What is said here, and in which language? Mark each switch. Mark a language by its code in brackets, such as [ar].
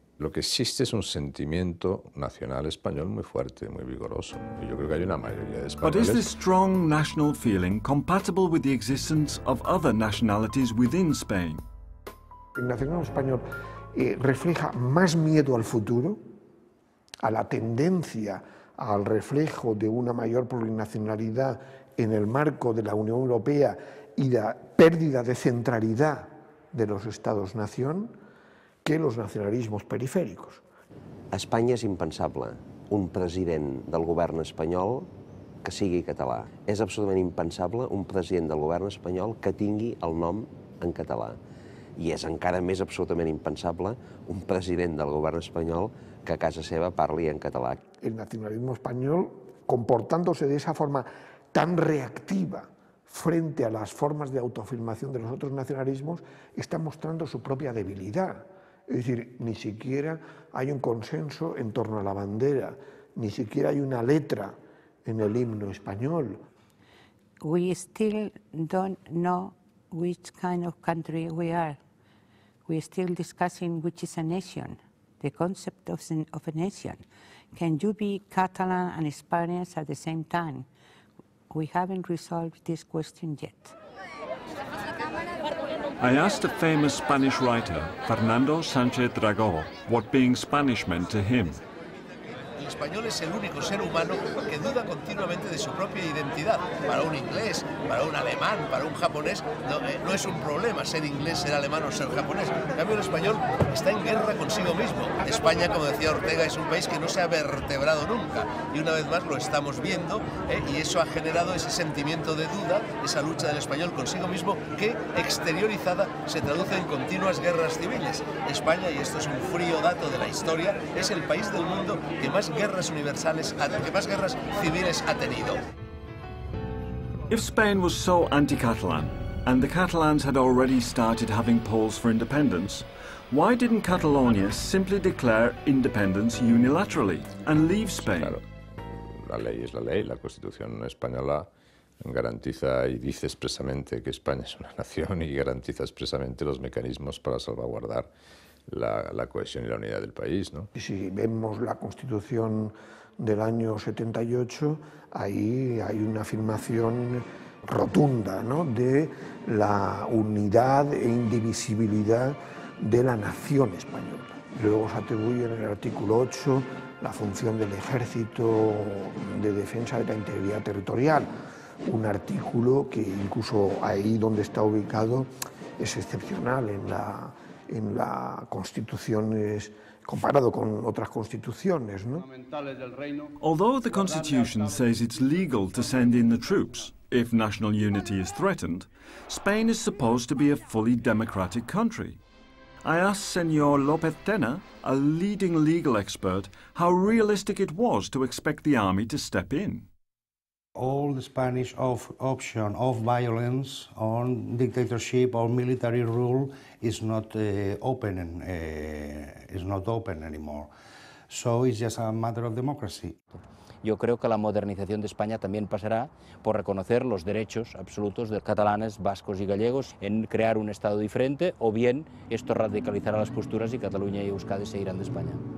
[es] Lo que existe es un sentimiento nacional español muy fuerte, muy vigoroso. Y yo creo que hay una mayoría de españoles. [en] But is this strong national feeling compatible with the existence of other nationalities within Spain? [es] El nacionalismo español refleja más miedo al futuro, a la tendencia al reflejo de una mayor plurinacionalidad en el marco de la Unión Europea y la pérdida de centralidad de los Estados-nación que los nacionalismos periféricos. [ca] A Espanya és impensable un president del govern espanyol que sigui català. És absolutament impensable un president del govern espanyol que tingui el nom en català. I és encara més absolutament impensable un president del govern espanyol que a casa seva parli en català. [es] El nacionalismo español, comportándose de esa forma tan reactiva frente a las formas de autoafirmación de los otros nacionalismos, está mostrando su propia debilidad. Es decir, ni siquiera hay un consenso en torno a la bandera, ni siquiera hay una letra en el himno español. [en] We still don't know which kind of country we are. We still discussing which is a nation, the concept of a nation. Can you be Catalan and Spaniards at the same time? We haven't resolved this question yet. I asked a famous Spanish writer, Fernando Sánchez Dragó, what being Spanish meant to him. [es] El español es el único ser humano que duda continuamente de su propia identidad. Para un inglés, para un alemán, para un japonés, no es un problema ser inglés, ser alemán o ser japonés. En cambio, el español está en guerra consigo mismo. España, como decía Ortega, es un país que no se ha vertebrado nunca. Y una vez más lo estamos viendo, y eso ha generado ese sentimiento de duda, esa lucha del español consigo mismo, que exteriorizada se traduce en continuas guerras civiles. España, y esto es un frío dato de la historia, es el país del mundo que más guerras universales, que más guerras civiles ha tenido. [en] If Spain was so anti-Catalan, and the Catalans had already started having polls for independence, why didn't Catalonia simply declare independence unilaterally and leave Spain? [es] Claro, la ley es la ley, la Constitución española garantiza y dice expresamente que España es una nación y garantiza expresamente los mecanismos para salvaguardar la cohesión y la unidad del país, ¿no? Y si vemos la Constitución del año 78, ahí hay una afirmación rotunda, ¿no?, de la unidad e indivisibilidad de la nación española. Luego se atribuye en el artículo 8 la función del ejército de defensa de la integridad territorial, un artículo que incluso ahí donde está ubicado es excepcional en la Constitución, comparado con otras constituciones, ¿no? [en] Although the Constitution says it's legal to send in the troops if national unity is threatened, Spain is supposed to be a fully democratic country. I asked Señor López Tena, a leading legal expert, how realistic it was to expect the army to step in. All the Spanish option of violence on dictatorship or military rule is not open anymore. So it's just a matter of democracy. [es] Yo creo que la modernización de España también pasará por reconocer los derechos absolutos de catalanes, vascos y gallegos en crear un Estado diferente, o bien esto radicalizará las posturas y Cataluña y Euskadi se irán de España.